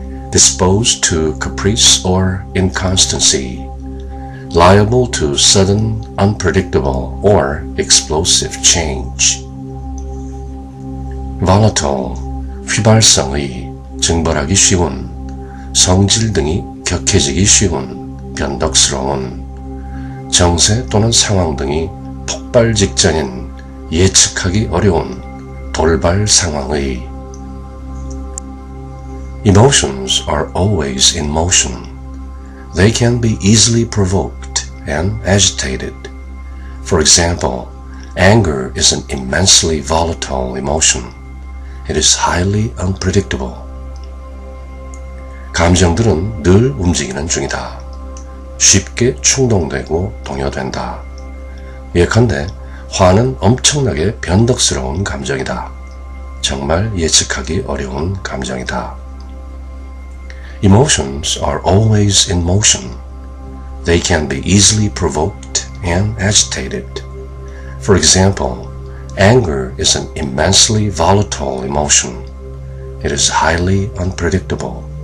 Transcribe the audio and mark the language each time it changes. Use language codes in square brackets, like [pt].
[en] Disposed to caprice or inconstancy, liable to sudden, unpredictable, or explosive change. [ko] Volatile, 휘발성의, 증발하기 쉬운, 성질 등이 격해지기 쉬운, 변덕스러운, 정세 또는 상황 등이 폭발 직전인 예측하기 어려운 돌발 상황의. [en] Emotions are always in motion. They can be easily provoked and agitated. For example, anger is an immensely volatile emotion. It is highly unpredictable. [ko] 감정들은 늘 움직이는 중이다. 쉽게 충동되고 동요된다. 예컨대, 화는 엄청나게 변덕스러운 감정이다. 정말 예측하기 어려운 감정이다. [en] Emotions are always in motion. They can be easily provoked and agitated. For example, anger is an immensely volatile emotion. It is highly unpredictable.